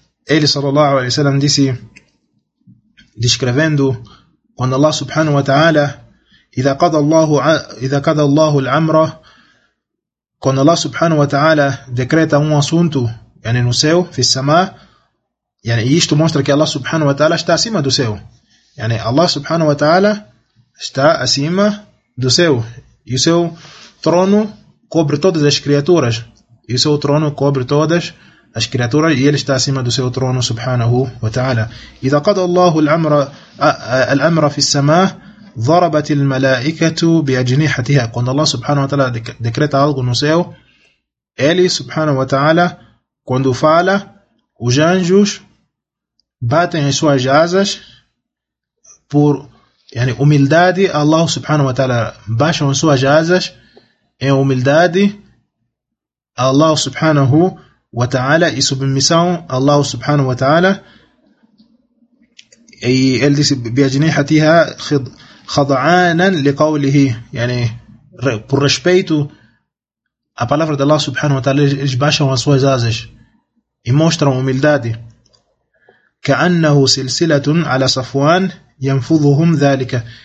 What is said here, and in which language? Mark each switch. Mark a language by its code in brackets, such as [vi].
[pt] ele صلى الله عليه وسلم disse descrevendo quando Allah subhanahu wa ta'ala, [ar] إذا قضى الله الأمر, [pt] quando Allah subhanahu wa ta'ala decreta um assunto, no céu, [ar] في السماء, [pt] isto mostra que Allah subhanahu wa ta'ala está acima do céu. Allah subhanahu wa ta'ala está acima do céu. E o seu trono cobre todas as criaturas. E o seu trono cobre todas as criaturas e ele está acima do seu trono subhanahu wa ta'ala. [ar] إذا قضى الله الأمر في السماء ضربت الملائكة بأجنحتها. [pt] Quando Allah subhanahu wa ta'ala decreta algo no céu, ele subhanahu wa ta'ala, quando fala, Os anjos batem as suas asas por humildade. Allah subhanahu wa ta'ala baixa as suas asas em humildade. Allah subhanahu wa ta'ala e submissão. Allah subhanahu wa ta'ala. E ele disse: [ar] Biajnihatiha khada'anan liqawlihi. [pt] Por respeito à palavra de Allah subhanahu wa ta'ala, eles baixam as suas asas e mostram humildade. [ar] كأنه سلسلة على صفوان ينفضهم ذلك.